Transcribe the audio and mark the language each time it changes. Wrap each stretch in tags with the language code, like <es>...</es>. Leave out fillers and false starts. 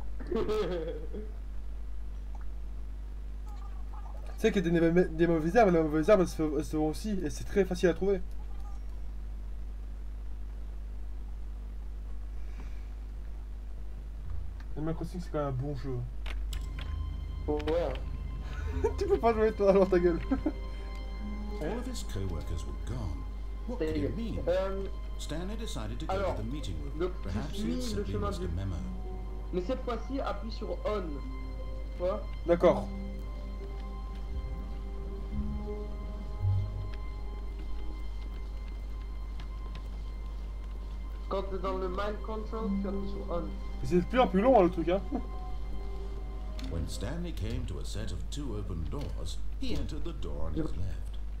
<fr>Tu sais qu'il y a des mauvaises herbes, les mauvaises herbes elles se vendent aussi et c'est très facile à trouver. Animal Crossing c'est quand même un bon jeu. Ouais. Tu peux pas jouer toi alors ta gueule.</fr> <en>All of his co-workers were gone. What do you mean? Stanley decided to go alors, to the meeting room. Perhaps he simply missed a memo.</en> <fr>Mais cette fois-ci, appuie sur on. Tu vois? D'accord. Quand t'es dans le mind control, tu appuies sur on. Mais c'est plus un plus long hein, le truc hein.</fr> <en>When Stanley came to a set of two open doors, he entered the door on his left.</en>